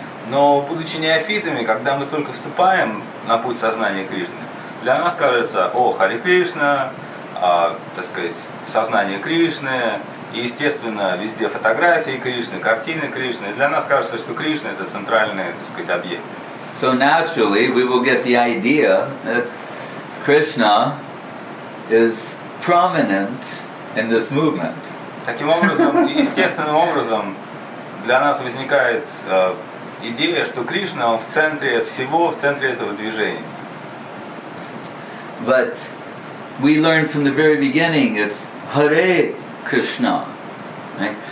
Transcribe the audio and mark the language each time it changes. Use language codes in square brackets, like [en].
[ru] Но будучи неофитами, когда мы только вступаем на путь сознания Кришны, для нас кажется, о, Харе Кришна, а, так сказать, сознание Кришны, и, естественно, везде фотографии Кришны, картины Кришны. Для нас кажется, что Кришна — это центральный, так сказать, объект. [en] So naturally, we will get the idea that Krishna is prominent in this movement. [ru] Таким образом, естественным образом, для нас возникает идея, что Кришна в центре всего, в центре этого движения. [en] But we learn from the very beginning, it's Hare Krishna, right?